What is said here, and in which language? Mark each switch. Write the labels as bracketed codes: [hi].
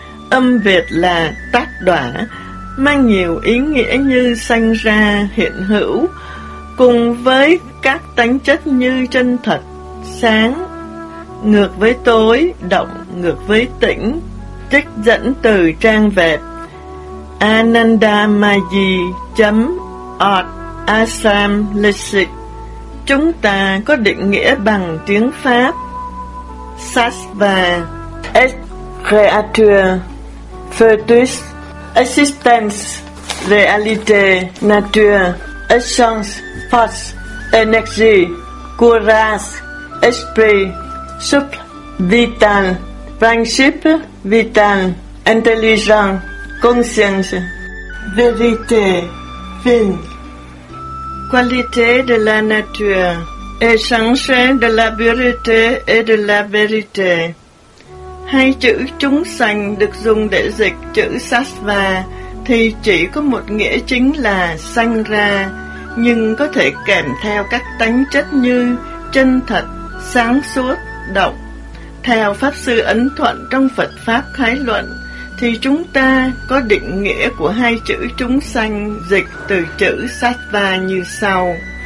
[vi] Âm Việt là tát đoả, mang nhiều ý nghĩa như sanh ra, hiện hữu, cùng với các tánh chất như chân thật, sáng, ngược với tối, động, ngược với tĩnh. Trích dẫn từ trang web anandamayi.org/asamlesic. Chúng ta có định nghĩa bằng tiếng Pháp Sattva [fr] Est créature fœtus, existence, réalité, nature, essence, force, énergie, courage, esprit, souffle, vital, principe, vital, intelligence, conscience, vérité, fin. Qualité de la nature, essence de la pureté et de la vérité. [vi] Hai chữ chúng sanh được dùng để dịch chữ sattva thì chỉ có một nghĩa chính là sanh ra, nhưng có thể kèm theo các tánh chất như chân thật, sáng suốt, độc. Theo Pháp Sư Ấn Thuận trong Phật Pháp Khái Luận, thì chúng ta có định nghĩa của hai chữ chúng sanh dịch từ chữ sattva như sau.